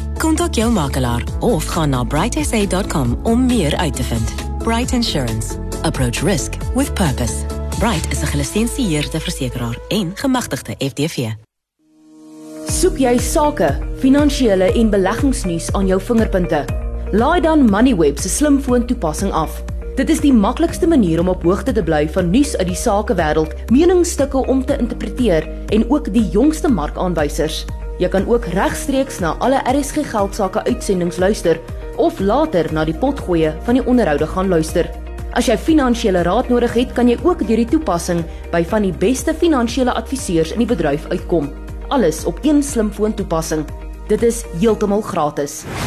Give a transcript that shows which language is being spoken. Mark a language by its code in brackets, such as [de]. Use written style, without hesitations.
[af] Kontak jou makelaar of gaan na brightsa.com om meer uit te vind. [en] Bright Insurance. Approach risk with purpose. [af] Bright is 'n gelisensieerde versekeraar en gemagtigde FDV. Soek jy sake, finansiële en beleggingsnuus aan jou vingerpunte? Laai dan Moneyweb se slimfoon toepassing af. Dit is die maklikste manier om op hoogte te bly van nuus uit die sakewêreld, meningsstukke om te interpreteer en ook die jongste markaanwysers. Jy kan ook regstreeks na alle RSG geldsaake uitsendings luister of later na die potgooie van die onderhoude gaan luister. As jy finansiële raad nodig het, kan jy ook deur die toepassing by van die beste finansiële adviseurs in die bedryf uitkom. Alles op een slimfoon toepassing. Dit is heeltemal gratis.